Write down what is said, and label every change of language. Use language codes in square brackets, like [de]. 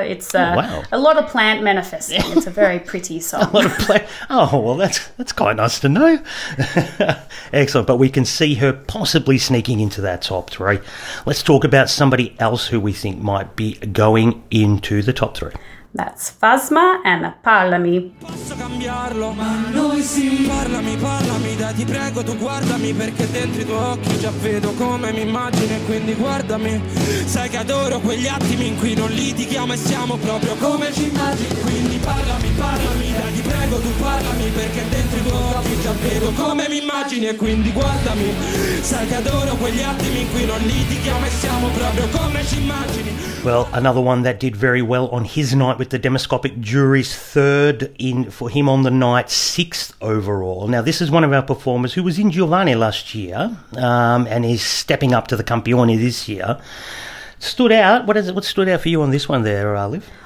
[en] It's a lot of plant manifesting. It's a very pretty song. Oh, well, that's quite nice to know. Excellent. But we can see her possibly sneaking into that top three. Let's talk about somebody else who we think might be going into the top three. That's Fasma and Parlami. [it] Posso cambiarlo, ma noi sì. Parlami, parlami, dai, ti prego, tu guardami, perché dentro i tuoi occhi già vedo come mi immagini, quindi guardami. Sai che adoro quegli attimi in cui non litighiamo e siamo proprio come ci immagini, quindi parlami, parlami, dai, ti prego, tu parlami, perché dentro i tuoi occhi già vedo come mi immagini e quindi guardami. Sai che adoro quegli attimi in cui non litighiamo e siamo proprio come ci immagini. [en] Well, another one that did very well on his night with the Demoscopic Jury's third in for him on the night, sixth overall. Now, this is one of our performers who was in Giovanni last year and is stepping up to the Campione this year. Stood out. What stood out for you on this one there, Liv?